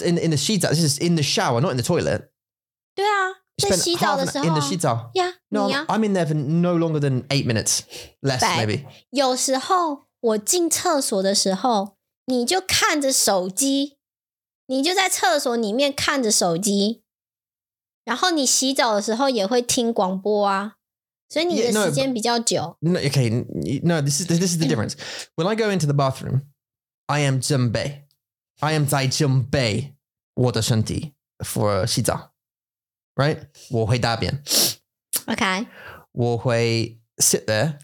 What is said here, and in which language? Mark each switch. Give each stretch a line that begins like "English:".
English: In the 洗澡, this is in the shower, not in the toilet.
Chinese: 对啊。在洗澡的时候。
English: In the 洗澡。 Yeah, no,
Chinese: 你啊。
English: I'm in there for no longer than 8 minutes. Less, maybe.
Chinese: 有时候。我进厕所的时候，你就看着手机，你就在厕所里面看着手机，然后你洗澡的时候也会听广播啊。所以你的时间比较久。
English: Yeah, no, okay, no, this is the difference. When I go into the bathroom, I am 准备 I am
Chinese: 在准备我的身体
English: for 洗澡 right?
Chinese: 我会大便。
English: Okay.
Chinese: 我会
English: sit there.